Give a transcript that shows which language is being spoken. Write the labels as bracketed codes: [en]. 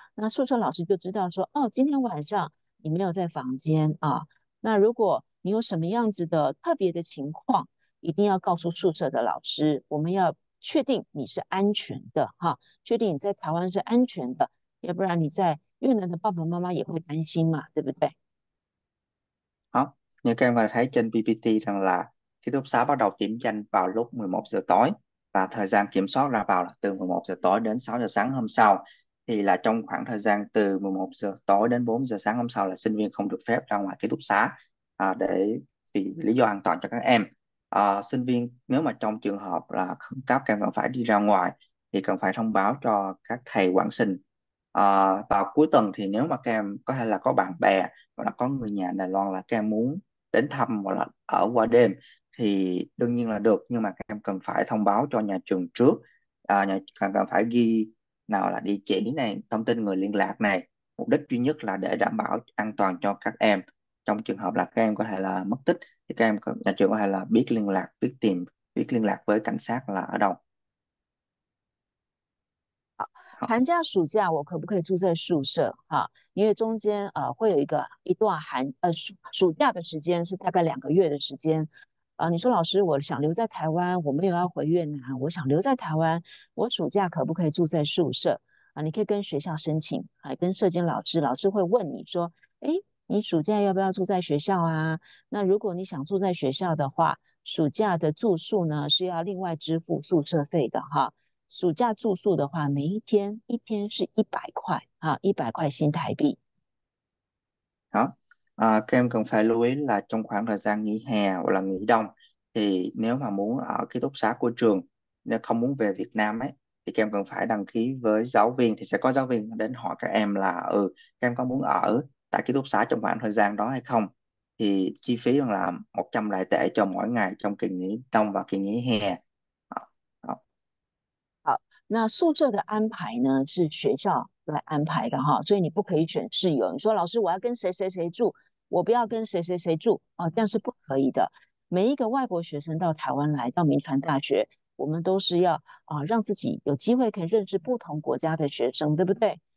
[zh] 那宿舍老师就知道说，哦，今天晚上你没有在房间啊。那如果你有什么样子的特别的情况，一定要告诉宿舍的老师，我们要确定你是安全的哈，确定你在台湾是安全的，要不然你在。越南的爸爸妈妈也会担心嘛，对不对？ [vi] Như các em đã thấy trên PPT rằng là ký túc xá bắt đầu kiểm danh vào lúc 11 giờ tối và thời gian kiểm soát ra vào là từ 11 giờ tối đến 6 giờ sáng hôm sau. Thì là trong khoảng thời gian từ 11 giờ tối đến 4 giờ sáng hôm sau là sinh viên không được phép ra ngoài ký túc xá để vì lý do an toàn cho các em. Sinh viên nếu mà trong trường hợp là khẩn cấp các em cần phải đi ra ngoài thì cần phải thông báo cho các thầy quản sinh. Vào cuối tuần thì nếu mà các em có thể là có bạn bè hoặc là có người nhà Đài Loan là các em muốn đến thăm hoặc là ở qua đêm thì đương nhiên là được, nhưng mà các em cần phải thông báo cho nhà trường trước, nhà cần cần phải ghi nào là địa chỉ này, thông tin người liên lạc này, mục đích duy nhất là để đảm bảo an toàn cho các em trong trường hợp là các em có thể là mất tích thì các em nhà trường có thể là biết liên lạc, biết tìm, biết liên lạc với cảnh sát là ở đâu. [zh] 寒假、暑假我可不可以住在宿舍？哈，因为中间会有一段暑假的时间是大概2个月的时间。你说老师，我想留在台湾，我没有要回越南，我想留在台湾，我暑假可不可以住在宿舍？你可以跟学校申请，还跟社监老师，老师会问你说，诶，你暑假要不要住在学校啊？那如果你想住在学校的话，暑假的住宿呢是要另外支付宿舍费的哈。暑假住宿的话，每一天是100块啊，100块新台币。 [vi] Đó. Các em cần phải lưu ý là trong khoảng thời gian nghỉ hè hoặc là nghỉ đông Thì nếu mà muốn ở ký túc xá của trường, nếu không muốn về Việt Nam ấy, thì các em cần phải đăng ký với giáo viên, thì sẽ có giáo viên đến hỏi các em là các em có muốn ở tại ký túc xá trong khoảng thời gian đó hay không. Thì chi phí là 100 đại tệ cho mỗi ngày trong kỳ nghỉ đông và kỳ nghỉ hè. [zh] 那宿舍的安排呢，是学校来安排的哈，所以你不可以选室友。你说老师，我要跟谁谁谁住，我不要跟谁谁谁住啊，这样是不可以的。每一个外国学生到台湾来，到明传大学，我们都是要让自己有机会可以认识不同国家的学生，对不对？